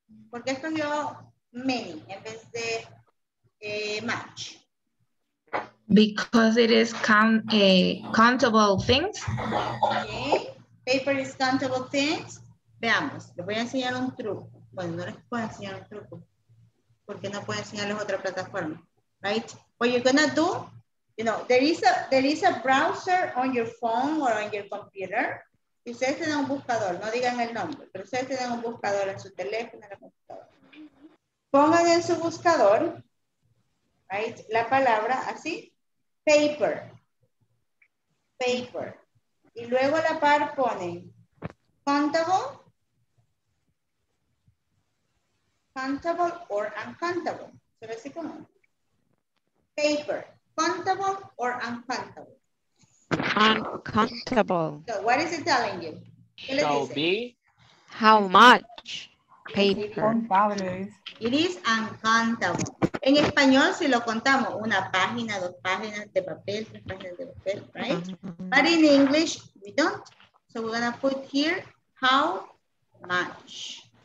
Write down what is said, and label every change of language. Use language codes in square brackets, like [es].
[es] ¿Por qué escogió many en vez de much? [en] Because it is countable things. [es] Okay. [en] Paper is countable things. [es] Veamos, les voy a enseñar un truco. Bueno, no les puedo enseñar un truco porque no puedo enseñarles otra plataforma, right? [en] What you're gonna do, you know, there is a browser on your phone or on your computer. [es] Y ustedes tienen un buscador, no digan el nombre, pero ustedes tienen un buscador en su teléfono, en la computadora. Pongan en su buscador, right, la palabra así, paper, paper. Y luego a la par ponen, [en] countable or uncountable. [es] Se ve así como, paper, [en] countable or uncountable. Uncountable. So what is it telling you? ¿Qué shall le dice? Be. How much? Paper. It is uncountable. [es] En español, si lo contamos, una página, dos páginas de papel, tres páginas de papel, right? [en] Mm-hmm. But in English, we don't. So we're going to put here, how much?